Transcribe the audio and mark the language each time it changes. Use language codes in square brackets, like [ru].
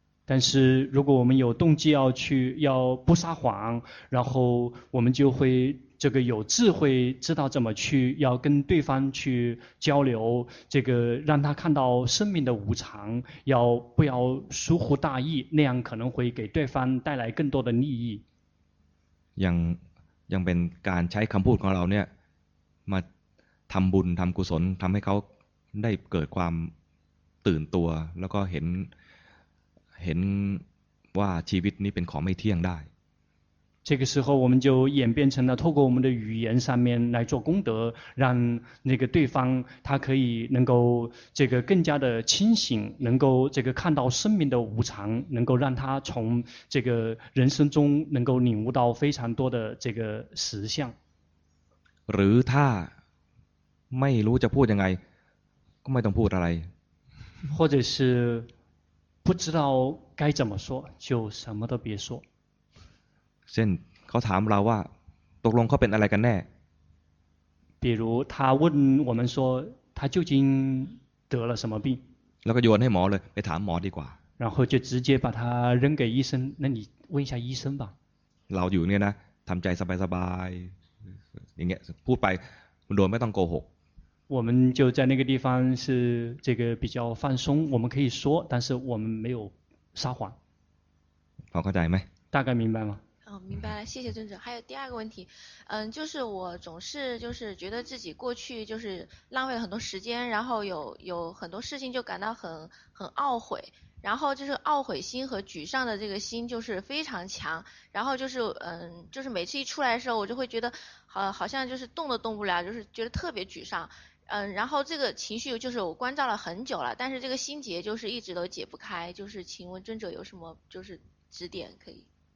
[zh] 但是如果我们有动机要不撒谎然后我们就会这个有智慧知道怎么去要跟对方去交流这个让他看到生命的无常要不要疏忽大意那样可能会给对方带来更多的利益 [th] ยังเป็นการใช้คำพูดของเราเนี่ยมาทำบุญทำกุศลทำให้เขาได้เกิดความตื่นตัวแล้วก็เห็นว่าชีวิตนี้เป็นของไม่เที่ยงได้ [zh] 这个时候我们就演变成了透过我们的语言上面来做功德让那个对方他可以能够这个更加的清醒能够这个看到生命的无常能够让他从这个人生中能够领悟到非常多的这个实相 [th] หรือถ้าไม่รู้จะพูดยังไงก็ไม่ต้องพูดอะไร [zh] 或者是不知道该怎么说就什么都别说 [th] เช่นเขาถามเราว่าตกลงเขาเป็นอะไรกันแน่ [zh] 比如他问我们说他究竟得了什么病 [th] แล้วก็โยนให้หมอเลยไปถามหมอดีกว่า [zh] 然后就直接把他扔给医生那你问一下医生吧 [th] เราอยู่เนี่ยนะทำใจสบายๆอย่างเงี้ยพูดไปโดยไม่ต้องโกหก [zh] 我们就在那个地方是这个比较放松我们可以说但是我们没有撒谎 [th] พอเข้าใจไหม [zh] 大概明白吗哦，明白了，谢谢尊者。还有第二个问题，嗯，就是我总是就是觉得自己过去就是浪费了很多时间，然后有很多事情就感到很懊悔，然后就是懊悔心和沮丧的这个心就是非常强，然后就是就是每次一出来的时候，我就会觉得好像就是动都动不了，就是觉得特别沮丧，嗯，然后这个情绪就是我关照了很久了，但是这个心结就是一直都解不开，就是请问尊者有什么就是指点可以？